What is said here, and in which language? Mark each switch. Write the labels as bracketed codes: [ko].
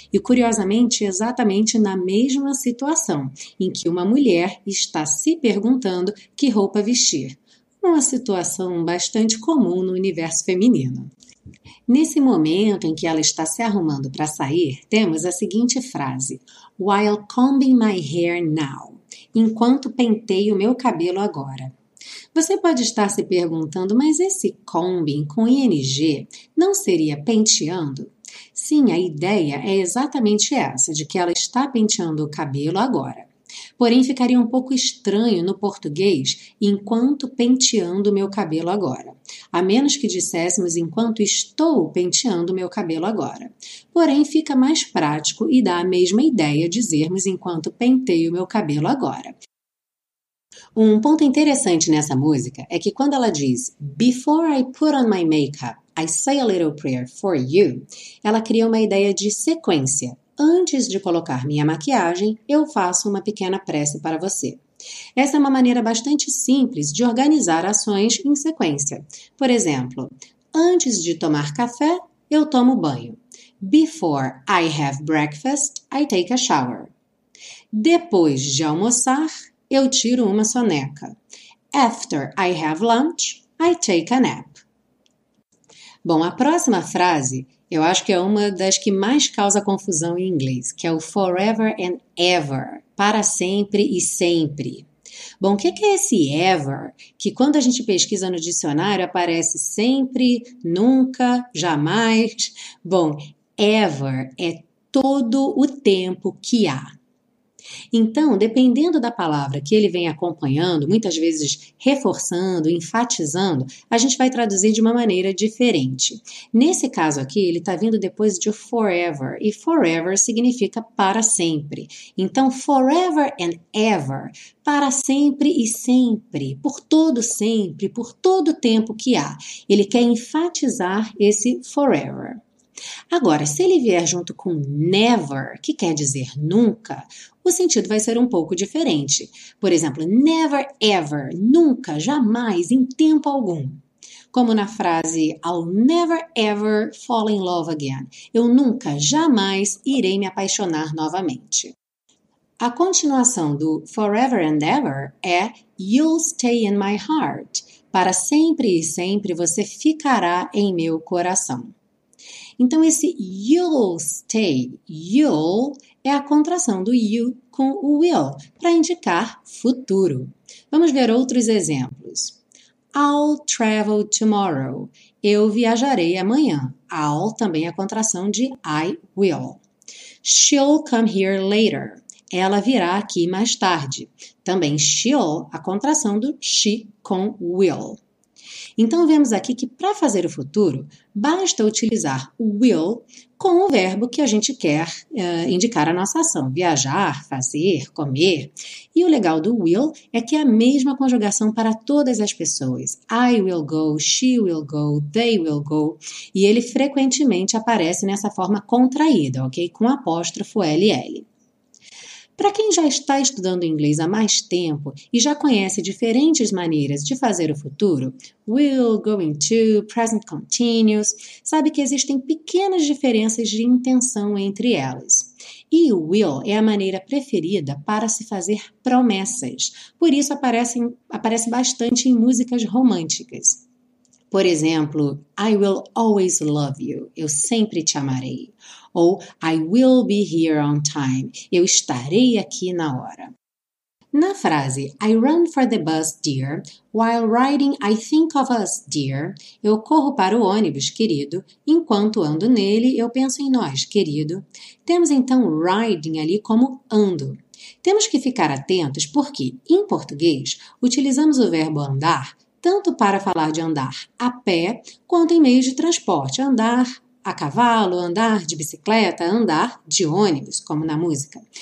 [pt] E curiosamente, exatamente na mesma situação em que uma mulher está se perguntando que roupa vestir. Uma situação bastante comum no universo feminino. Nesse momento em que ela está se arrumando para sair, temos a seguinte frase. [en] While combing my hair now. [pt] Enquanto penteio meu cabelo agora. Você pode estar se perguntando, mas esse combing com ing não seria penteando? Sim, a ideia é exatamente essa, de que ela está penteando o cabelo agora. Porém, ficaria um pouco estranho no português enquanto penteando meu cabelo agora. A menos que disséssemos enquanto estou penteando meu cabelo agora. Porém, fica mais prático e dá a mesma ideia dizermos enquanto penteio meu cabelo agora. Um ponto interessante nessa música é que quando ela diz [en] Before I put on my makeup, I say a little prayer for you, [pt] ela cria uma ideia de sequência. antes de colocar minha maquiagem, eu faço uma pequena prece para você. Essa é uma maneira bastante simples de organizar ações em sequência. Por exemplo, antes de tomar café, eu tomo banho. [en] Before I have breakfast, I take a shower. [pt] Depois de almoçar, eu tiro uma soneca. [en] After I have lunch, I take a nap. [pt] Bom, a próxima frase, eu acho que é uma das que mais causa confusão em inglês, que é o [en] forever and ever, [pt] para sempre e sempre. Bom, o que é esse ever? Que quando a gente pesquisa no dicionário, aparece sempre, nunca, jamais. Bom, ever é todo o tempo que há. Então, dependendo da palavra que ele vem acompanhando, muitas vezes reforçando, enfatizando, a gente vai traduzir de uma maneira diferente. Nesse caso aqui, ele está vindo depois de forever, e forever significa para sempre. Então, [en] forever and ever, [pt] para sempre e sempre, por todo tempo que há. Ele quer enfatizar esse forever. Agora, se ele vier junto com never, que quer dizer nunca, o sentido vai ser um pouco diferente. Por exemplo, [en] never ever, [pt] nunca, jamais, em tempo algum. Como na frase, [en] I'll never ever fall in love again. [pt] Eu nunca, jamais, irei me apaixonar novamente. A continuação do [en] forever and ever [pt] é [en] you'll stay in my heart. [pt] Para sempre e sempre você ficará em meu coração. Então, esse [en] you'll stay, [pt] you'll, é a contração do you com o will, para indicar futuro. Vamos ver outros exemplos. [en] I'll travel tomorrow. [pt] Eu viajarei amanhã. I'll também é a contração de I will. [en] She'll come here later. [pt] Ela virá aqui mais tarde. Também she'll, a contração do she com will. Então, vemos aqui que para fazer o futuro, basta utilizar o will com o verbo que a gente quer indicar a nossa ação. Viajar, fazer, comer. E o legal do will é que é a mesma conjugação para todas as pessoas. [en] I will go, she will go, they will go. [pt] E ele frequentemente aparece nessa forma contraída, ok? Com apóstrofo LL. Para quem já está estudando inglês há mais tempo e já conhece diferentes maneiras de fazer o futuro, will, going to, present continuous, sabe que existem pequenas diferenças de intenção entre elas. E o will é a maneira preferida para se fazer promessas, por isso aparece bastante em músicas românticas. Por exemplo, [en] I will always love you, [pt] eu sempre te amarei. Ou, [en] I will be here on time, [pt] eu estarei aqui na hora. Na frase, [en] I run for the bus, dear, while riding, I think of us, dear. [pt] Eu corro para o ônibus, querido, enquanto ando nele, eu penso em nós, querido. Temos então riding ali como ando. Temos que ficar atentos porque, em português, utilizamos o verbo andar tanto para falar de andar a pé, quanto em meio de transporte, andar a cavalo, andar de bicicleta, andar de ônibus, como na música.